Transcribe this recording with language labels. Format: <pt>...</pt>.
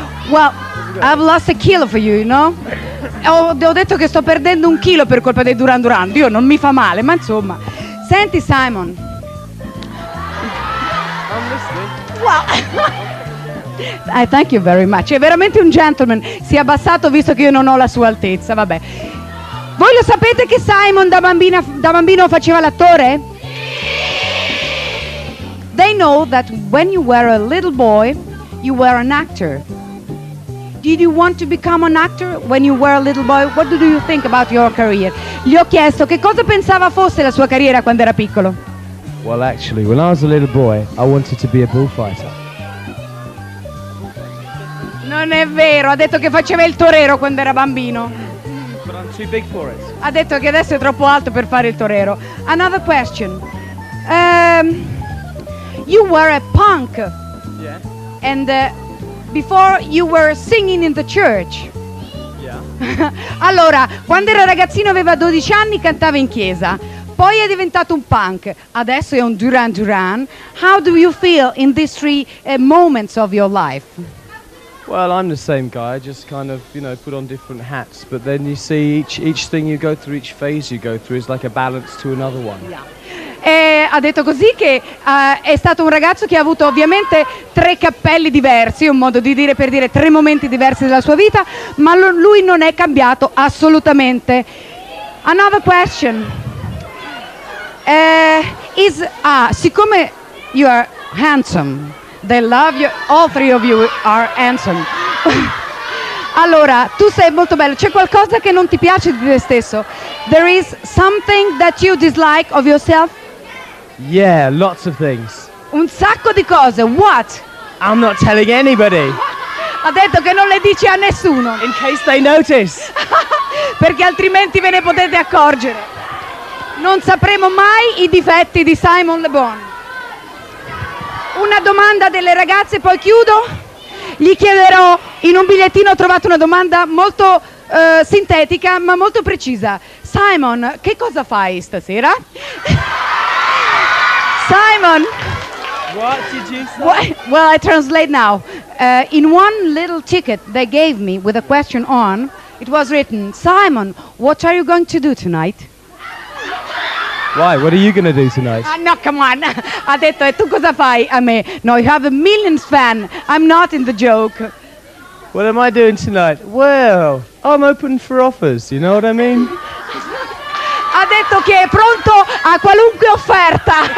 <en>Well, I've lost a kilo for you, you know?</en> <it>Ho detto che sto perdendo un chilo per colpa dei Duran Duran. Dio, non mi fa male, ma insomma. Senti, Simon.</it> <en>Well, I thank you very much.</en> <it>È veramente un gentleman. Si è abbassato visto che io non ho la sua altezza. Vabbè. Voi lo sapete che Simon da bambino faceva l'attore?</it> <en>They know that when you were a little boy, you were an actor. Did you want to become an actor when you were a little boy? What do you think about your career?</en> <it>Gli ho chiesto che cosa pensava fosse la sua carriera quando era piccolo.</it> <en>Well, actually, when I was a little boy, I wanted to be a bullfighter.</en> <it>Non è vero, ha detto che faceva il torero quando era bambino.</it> <en>But I'm too big for it.</en> <it>Ha detto che adesso è troppo alto per fare il torero.</it> <en>Another question. You were a punk. Yeah. And before you were singing in the church. Yeah.</en> <it>Allora, quando era ragazzino aveva 12 anni cantava in chiesa. Poi è diventato un punk. Adesso è un Duran Duran.</it> <en>How do you feel in these three moments of your life? Well, I'm the same guy, I just kind of, you know, put on different hats, but then you see each thing you go through, each phase you go through is like a balance to another one. Yeah.</en> <it>Ha detto così che è stato un ragazzo che ha avuto ovviamente tre cappelli diversi, un modo di dire per dire tre momenti diversi della sua vita, ma lui non è cambiato assolutamente.</it> <en>Another question. Siccome you are handsome, they love you, all three of you are handsome.</en> <it>Allora, tu sei molto bello. C'è qualcosa che non ti piace di te stesso?</it> <en>There is something that you dislike of yourself? Yeah, lots of things.</en> <it>Un sacco di cose.</it> <en>What? I'm not telling anybody.</en> <it>Ha detto che non le dici a nessuno.</it> <en>In case they notice.</en> <it>Perché altrimenti ve ne potete accorgere. Non sapremo mai i difetti di Simon Le Bon. Una domanda delle ragazze, poi chiudo. Gli chiederò, in un bigliettino ho trovato una domanda molto sintetica ma molto precisa. Simon, che cosa fai stasera? Simon!</it> <en>What did you say? Well, I translate now. In one little ticket they gave me with a question on, it was written, Simon, what are you going to do tonight? Why? What are you going to do tonight? No, come on.</en> <it>Ha detto, e tu cosa fai a me?</it> <en>No, you have a million fan. I'm not in the joke. What am I doing tonight? Well, I'm open for offers, you know what I mean?</en> <it>Ha detto che è pronto a qualunque offerta.</it>